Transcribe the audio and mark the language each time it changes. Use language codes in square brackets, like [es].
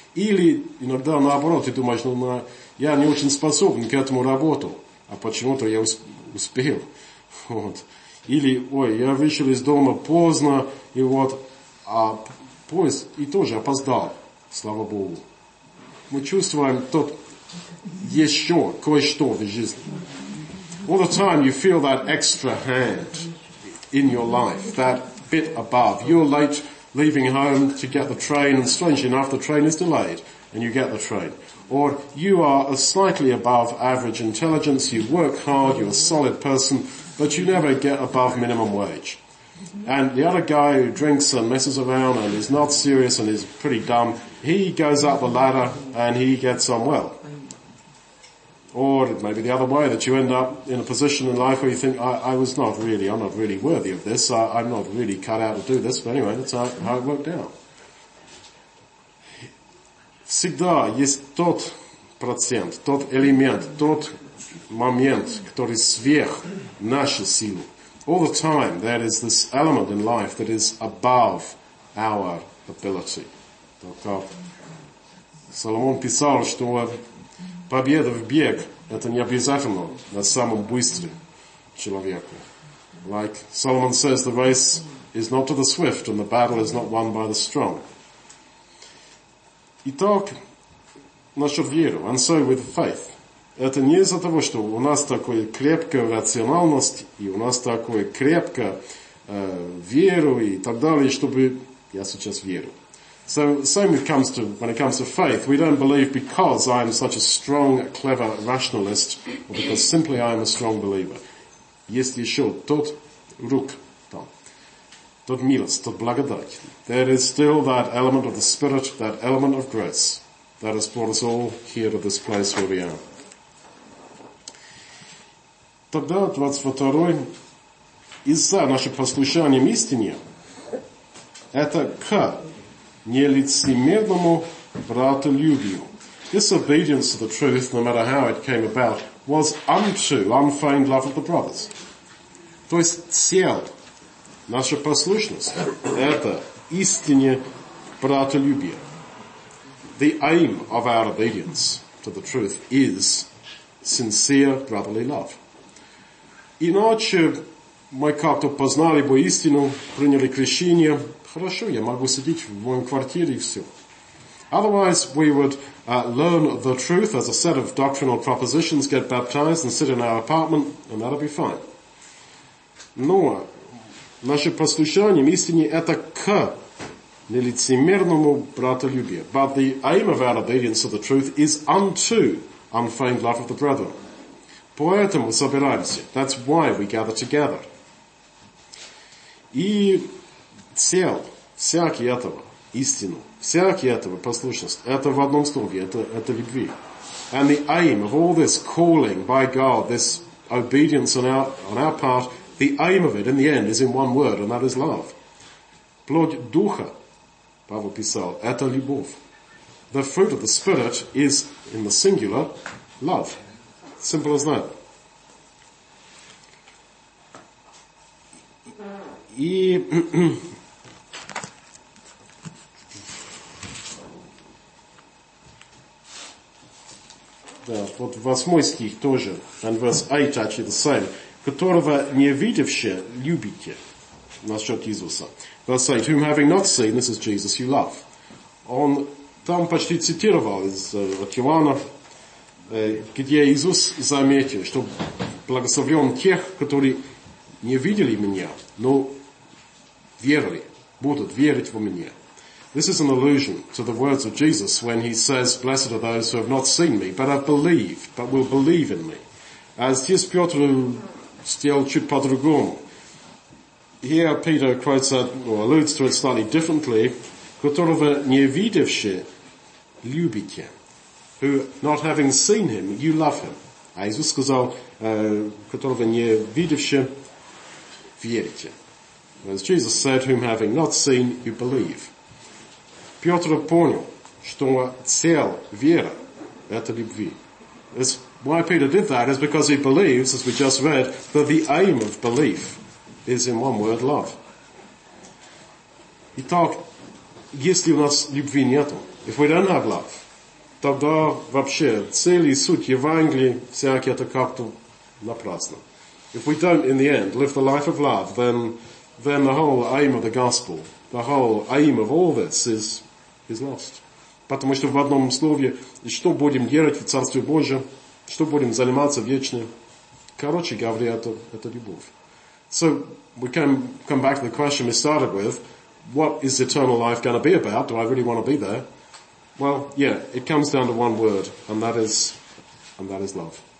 [ru] Или иногда наоборот, ты думаешь, ну, я не очень способен к этому работу, а почему-то я успел. Вот. Или, ой, я вышел из дома поздно, и вот, а поезд и тоже опоздал, слава Богу. Мы чувствуем тот еще кое-что в жизни. [en] All the time you feel that extra hand in your life, that bit above. You're late leaving home to get the train, and strange enough, the train is delayed, and you get the train. Or you are a slightly above average intelligence, you work hard, you're a solid person, but you never get above minimum wage. And the other guy who drinks and messes around and is not serious and is pretty dumb, he goes up the ladder and he gets on well. Or maybe the other way, that you end up in a position in life where you think, I'm not really worthy of this, I'm not really cut out to do this, but anyway, that's how it worked out. [ru] Всегда есть тот процент, тот элемент, тот момент, который сверх наши силы. [en] All the time there is this element in life that is above our ability. [ru] Только Соломон писал, что победа в бег – это не обязательно на самом быстром человеку. [en] Like Solomon says, the race is not to the swift and the battle is not won by the strong. [ru] Итак, насчет веры, [en] and so with faith. [ru] Это не из-за того, что у нас такая крепкая рациональность, и у нас такая крепкая веру и так далее, чтобы я сейчас верю. [en] So same when it comes to faith, we don't believe because I am such a strong, clever rationalist, or because simply I am a strong believer. [ru] Есть еще тот рук там, тот милость, тот благодать. [en] There is still that element of the Spirit, that element of grace that has brought us all here to this place where we are. [ru] Тогда 22-й, из-за нашего послушания истине, это к нелицемерному братолюбию. [en] This obedience to the truth, no matter how it came about, was unto unfeigned love of the brothers. [ru] То есть цель наша послушность, это истине братолюбия. [en] The aim of our obedience to the truth is sincere brotherly love. [ru] Иначе мы как-то познали бы истину, приняли крещение. Хорошо, я могу сидеть в моем квартире и все. [en] Otherwise, we would learn the truth as a set of doctrinal propositions, get baptized and sit in our apartment, and that'll be fine. [ru] Но наше послушание истине – это к нелицемерному братолюбию. [en] But the aim of our obedience to the truth is unto unfeigned love of the brethren. [ru] Поэтому собираемся. [en] That's why we gather together. [ru] И цель всякий этого, истину, всякий этого послушность, это в одном слове, это любви. [en] And the aim of all this calling by God, this obedience on our part, the aim of it in the end is in one word, and that is love. [ru] Плод Духа, Павел писал, это любовь. [en] The fruit of the Spirit is, in the singular, love. Simple as that. [ru] И да, вот восьмой стих тоже, [en] and verse 8 actually the same, [ru] которого не видевши любите, насчет Иисуса. [en] Verse 8, whom having not seen, this is Jesus, you love. [ru] Он там почти цитировал от Иоанна, где Иисус заметил, что благословлен тех, которые не видели меня, но верили, будут верить во меня. [en] This is an allusion to the words of Jesus when he says, blessed are those who have not seen me, but have believed, but will believe in me. As [ru] здесь Петр сделал чуть по-другому. [en] Here Peter quotes that, or alludes to it slightly differently, [ru] которого не видевши любите, [en] who, not having seen him, you love him. [ru] А Иисус сказал, которого не видевши, верите. [en] As Jesus said, whom having not seen, you believe. [ru] Петр понял, что цель веры – это любви. [en] It's why Peter did that is because he believes, as we just read, that the aim of belief is, in one word, love. [ru] Итак, если у нас любви нету, [en] if we don't have love, [ru] тогда вообще цель и суть Евангелия всякие это как-то напрасно. [en] If we don't, in the end, live the life of love, then the whole aim of the gospel, the whole aim of all this is lost. [ru] Потому что в одном слове, что будем делать в Царстве Божьем, что будем заниматься вечно, короче говоря, это любовь. [en] So we can come back to the question we started with, what is eternal life going to be about? Do I really want to be there? Well, yeah, it comes down to one word, and that is love.